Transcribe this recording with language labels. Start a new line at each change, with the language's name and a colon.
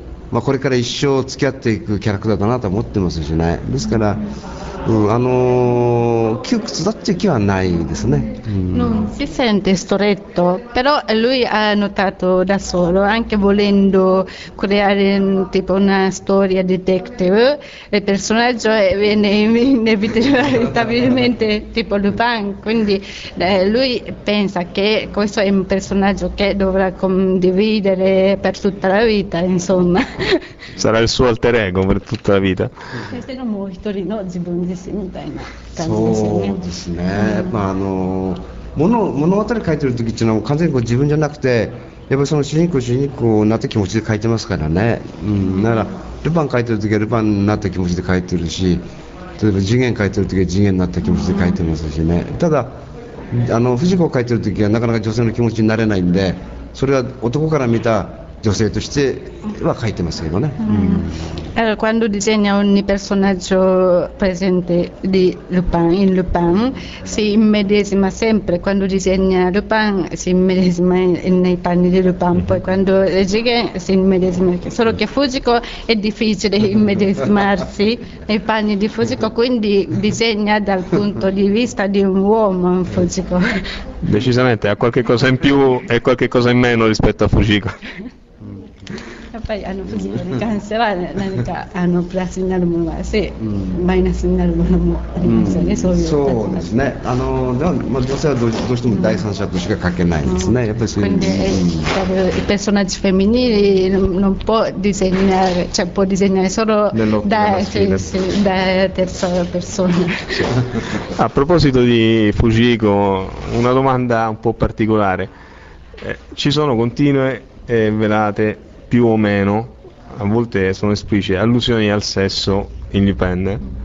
Japanese: まあ、これから一生付き合っていくキャラクターだなと思ってますしね、ですから、窮屈だっていう気はないですね。
Italian: Non si sente stretto, però lui ha notato da solo, anche volendo creare tipo una storia detective, il personaggio viene inevitabilmente tipo Lupin, quindi lui pensa che questo è un personaggio che dovrà condividere per tutta la vita, insomma. Sarà il suo alter ego per tutta la vita. Questo è un nuovo storico, no? Zi Bun Zi Si, mi dai una canzone
Japanese: そうですね、まあ物語書いてる時っていうのは完全にこう自分じゃなくて、やっぱりその主人公になった気持ちで書いてますからね、だからルパン書いてる時はルパンになった気持ちで書いてるし、例えば次元書いてる時は次元になった気持ちで書いてますしね、ただ、藤子書いてる時はなかなか女性の気持ちになれないんで、それは男から見た女性としては書いてますけどね。
Italian: Allora, quando disegna ogni personaggio presente di Lupin, in Lupin, si immedesima sempre. Quando disegna Lupin, si immedesima nei panni di Lupin. Poi quando legge, si immedesima. Solo che Fujiko è difficile immedesimarsi nei panni di Fujiko, quindi disegna dal punto di vista di un uomo, Fujiko. Decisamente ha qualche cosa in più e qualche cosa in meno rispetto a Fujiko.
Japanese: やっぱり藤子に関しては何かプラスになるものもあるし、マイナスになるものもありますよね、そういう立そうで場すね、女性はどうしても第三者としか書けないですね、やっぱりそういう。
Italian: Quindi il personaggio femminile non può disegnare, cioè può disegnare solo da terza persona. A proposito di Fujiko, una domanda un po' particolare. Ci sono continue e velate, più o meno, a volte sono esplicite, allusioni al sesso in Lupin.